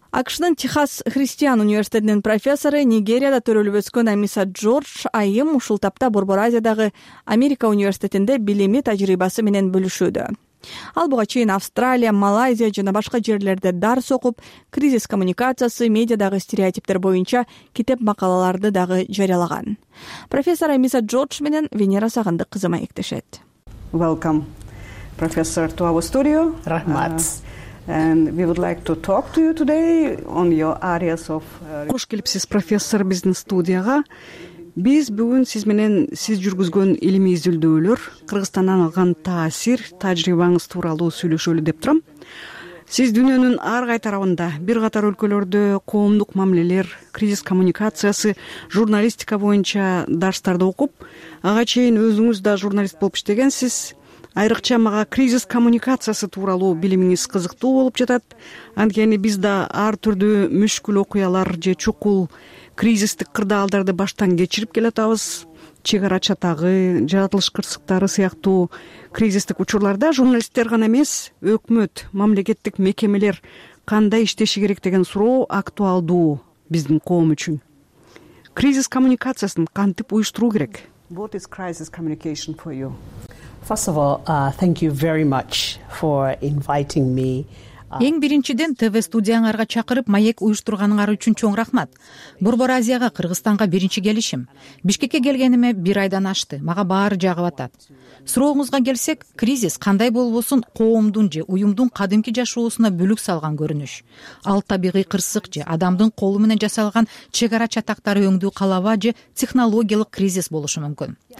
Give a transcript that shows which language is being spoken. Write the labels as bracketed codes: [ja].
[ky] АКШ'дан Техас Христиан университетинин профессору, Нигерияда төрөлүп өскөн Амиса Джордж айым ушул тапта Борбор Азиядагы Америка университетинде билими тажрыйбасы менен бөлүшүүдө. Ал буга чейин Австралия, Малайзия жана башка жерлерде дарс окуп, кризис коммуникациясы, медиадагы стереотиптер боюнча китеп макалаларды дагы жарыялаган. Профессор Амиса Джордж менен Венера Сагандык кызы маектешет. [en] Welcome, professor, to our studio. [ky] Рахмат. [en] And we would like to talk to you today on your areas of [ky] Кош келипсиз профессор биздин студияга. Биз бүгүн сиз менен сиз жүргүзгөн илимий изилдөөлөр, Кыргызстандан алган таасир, тажрыйбаңыз тууралуу сүйлөшөлү деп турам. Сиз дүйнөнүн ар кай тарабында, бир катар өлкөлөрдө коомдук мамилелер, кризис коммуникациясы, журналистика боюнча дарстарды окуп, ага чейин өзүңүз да журналист болуп иштегенсиз. Айрыкча мага кризис коммуникациясы тууралуу билимиңиз кызыктуу болуп жатат. Анткени биз да ар түрдүү мүшкүл окуялар же чукул кризистик кырдаалдарды баштан кечирип келатабыз. Чек ара чатагы, жаратылыш кырсыктары сыяктуу кризистик учурларда журналисттер гана эмес, өкмөт, мамлекеттик мекемелер кандай иштеши керек деген суроо актуалдуу биздин коом үчүн. Кризис коммуникациясын кантип уюштуруу керек? [en] What is crisis communication for you? First of all, thank you very much for inviting me [ky] Эң биринчиден ТВ студияңарга чакырып, маек уюштурганыңар үчүн чоң рахмат. Борбор Азияга, Кыргызстанга биринчи келишим. Бишкекке келгениме бир айдан ашты. Мага баары жагып атат. Сурооңузга келсек, кризис кандай болбосун коомдун же уюмдун кадимки жашоосуна бүлүк салган көрүнүш. Ал табигый кырсык же адамдын колу менен жасалган чек ара чатактары өңдүү калаба же технологиялык кризис болушу мүмкүн.